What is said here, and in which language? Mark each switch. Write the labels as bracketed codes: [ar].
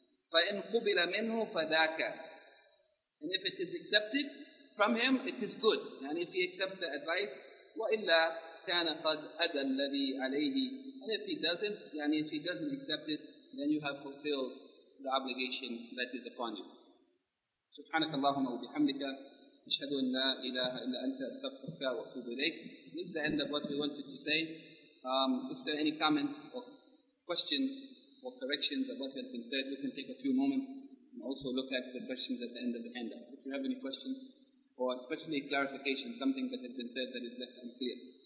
[en] فَإِنْ قُبِلَ مِنْهُ فَذَاكَ And if it is accepted from him, it is good. And if he accepts the advice, وَإِلَّا كَانَ قَدْ أَدَى الَّذِي عَلَيْهِ And if he doesn't, and if he doesn't accept it, then you have fulfilled the obligation that is upon you. [ar] سبحانك اللهم وبحمدك أشهد أن لا إله إلا أنت أستغفرك وأتوب إليك. [en] This is the end of what we wanted to say. If there are any comments or questions or corrections of what has been said, we can take a few moments and also look at the questions at the end of the handout. If you have any questions or especially clarification, something that has been said that is left unclear.